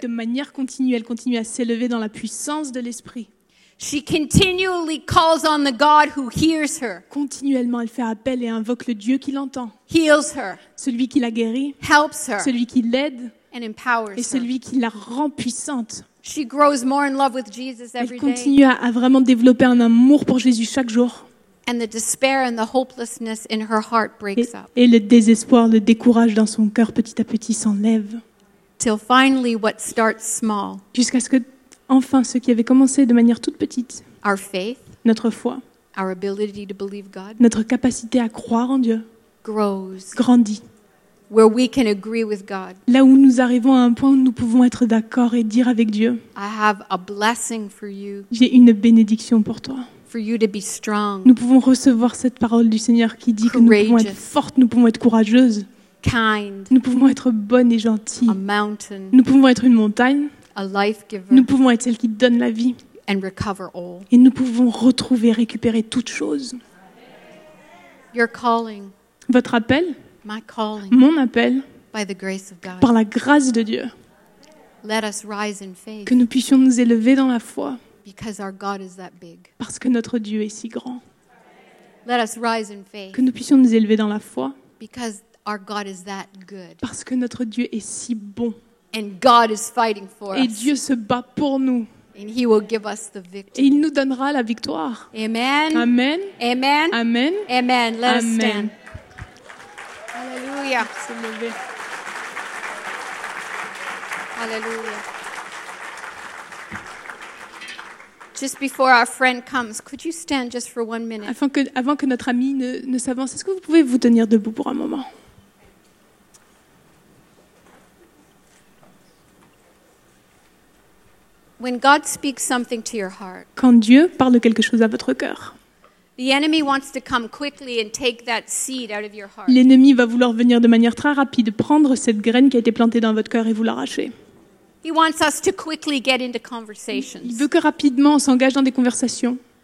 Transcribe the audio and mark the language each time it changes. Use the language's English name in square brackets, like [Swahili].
[French] De manière continue, elle continue à s'élever dans la puissance de l'Esprit. [English] She continually calls on the God who hears her. [French] Continuellement, elle fait appel et invoque le Dieu qui l'entend. [English] Heals her. [French] Celui qui la guérit. [English] Helps her. [French] Celui qui l'aide. [English] And empowers [French] et celui [English] her. [French] Qui la rend puissante. [English] She grows more in love with Jesus every day. [French] Elle continue à vraiment développer un amour pour Jésus chaque jour. [English] And the despair and the hopelessness in her heart breaks up. [French] Et le désespoir, le découragement dans son cœur petit à petit s'enlève. [English] Till finally what starts small. [French] Jusqu'à ce que enfin, ce qui avait commencé de manière toute petite, [English] our faith, [French] notre foi, [English] our ability to believe God, [French] notre capacité à croire en Dieu, [English] grows, [French] grandit. [English] Where we can agree with God. [French] Là où nous arrivons à un point où nous pouvons être d'accord et dire avec Dieu, [English] I have a blessing for you, [French] j'ai une bénédiction pour toi. [English] For you to be strong, [French] nous pouvons recevoir cette parole du Seigneur qui dit [English] courageous, [French] que nous pouvons être fortes, nous pouvons être courageuses, [English] kind, [French] nous pouvons être bonnes et gentilles, [English] a mountain, [French] nous pouvons être une montagne. [English] A life-giver. [French] Nous pouvons être celle qui donne la vie. [English] And recover all. [French] Et nous pouvons retrouver, récupérer toute chose. [English] Your calling. [French] Votre appel. [English] My calling. [French] Mon appel. [English] By the grace of God. [French] Par la grâce de Dieu. [English] Let us rise in faith. [French] Que nous puissions nous élever dans la foi. [English] Because our God is that big. [French] Parce que notre Dieu est si grand. [English] Let us rise in faith. [French] Que nous puissions nous élever dans la foi. [English] Because Our God is that good. [French] Parce que notre Dieu est si bon. [English] And God is fighting for us. [French] Et Dieu se bat pour nous. [English] And he will give us the victory. [French] Et il nous donnera la victoire. Amen. Amen. Amen. Amen. [English] Amen. Let us Amen. Stand. Hallelujah. [French] Se lever. Hallelujah. [English] Just before our friend comes, could you stand just for 1 minute? [French] Avant que notre ami ne s'avance, est-ce que vous pouvez vous tenir debout pour un moment? [English] When God speaks something to your heart, [French] quand Dieu parle quelque chose à votre cœur, [English] the enemy wants to come quickly and take that seed out of your heart. [French] L'ennemi va vouloir venir de manière très rapide prendre cette graine qui a été plantée dans votre cœur et vous l'arracher. [English] He wants us to quickly get into conversations. [French] Il veut que rapidement on s'engage dans des conversations.